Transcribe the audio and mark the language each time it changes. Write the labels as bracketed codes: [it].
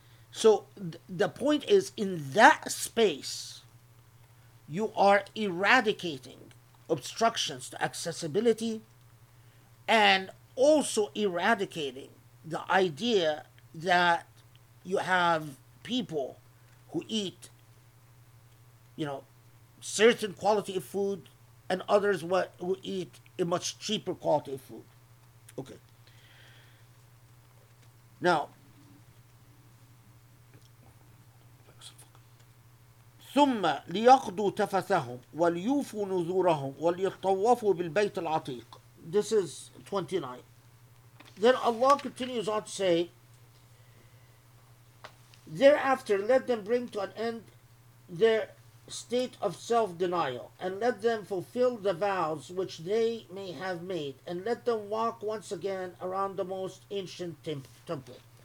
[en] So the point is, in that space, you are eradicating obstructions to accessibility and also eradicating the idea that you have people who eat, you know, certain quality of food and others who eat a much cheaper quality of food. Okay. [ar] Now, ثم ليقضوا تفثهم وليوفوا نذورهم وليطوفوا بالبيت العتيق. [en] This is 29. Then Allah continues on to say, thereafter, let them bring to an end their state of self-denial, and let them fulfill the vows which they may have made, and let them walk once again around the most ancient temple.